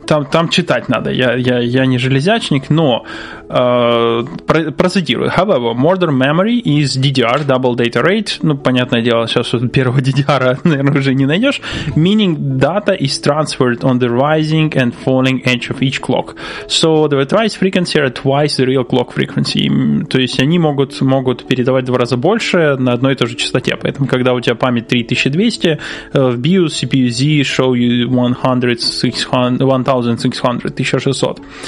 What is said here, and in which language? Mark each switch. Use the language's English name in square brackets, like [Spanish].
[Russian] Там читать надо, я не железячник, но процитирую. [English] However, modern memory is DDR, double data rate. [Russian] Ну, понятное дело, сейчас вот первого DDR, наверное, уже не найдешь. [English] Meaning data is transferred on the rising and falling edge of each clock. So the thrice frequency are twice the real clock frequency. [Russian] То есть они могут передавать в два раза больше на одной и той же частоте. Поэтому, когда у тебя память 3200, в BIOS, CPU Z [English] show you [Russian] 1600.